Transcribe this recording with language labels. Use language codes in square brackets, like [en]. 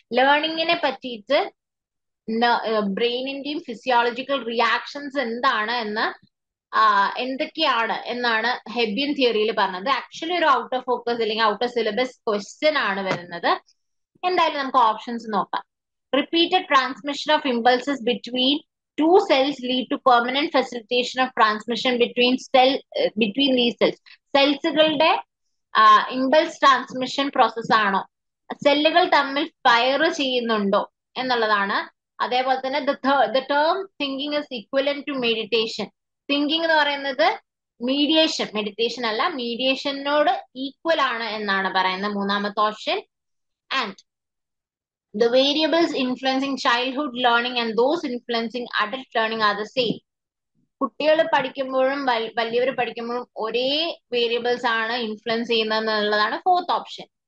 [ml] ലേണിംഗിനെ പറ്റിയിട്ട് ബ്രെയിനിന്റെയും physiological reactions എന്താണ് എന്ന്, എന്തൊക്കെയാണ് എന്നാണ് ഹെബിയൻ തിയറിയിൽ പറഞ്ഞത്. ആക്ച്വലി ഒരു ഔട്ട് ഓഫ് ഫോക്കസ് അല്ലെങ്കിൽ ഔട്ട് ഓഫ് സിലബസ് ക്വസ്റ്റ്യൻ ആണ് വരുന്നത്. എന്തായാലും നമുക്ക് ഓപ്ഷൻസ് നോക്കാം. [en] Repeated transmission of impulses between two cells lead to permanent facilitation of transmission between cell between these cells. [ml] Cells കളുടെ impulse transmission process ആണോ, സെല്ലുകൾ തമ്മിൽ ഫയർ ചെയ്യുന്നുണ്ടോ എന്നുള്ളതാണ്. അതേപോലെ തന്നെ [en] the term thinking is equivalent to meditation. [ml] Thinking എന്ന് പറയുന്നത് മീഡിയേഷൻ, മെഡിറ്റേഷൻ അല്ല, മീഡിയേഷനോട് ഈക്വൽ ആണ് എന്നാണ് പറയുന്നത് മൂന്നാമത്തെ option. [en] And the variables influencing childhood learning and those influencing adult learning are the same. [ml] കുട്ടികൾ പഠിക്കുമ്പോഴും വലിയവർ പഠിക്കുമ്പോഴും ഒരേ വേരിയബിൾസ് ആണ് ഇൻഫ്ലുവൻസ് ചെയ്യുന്നത് എന്നുള്ളതാണ് ഫോർത്ത് ഓപ്ഷൻ.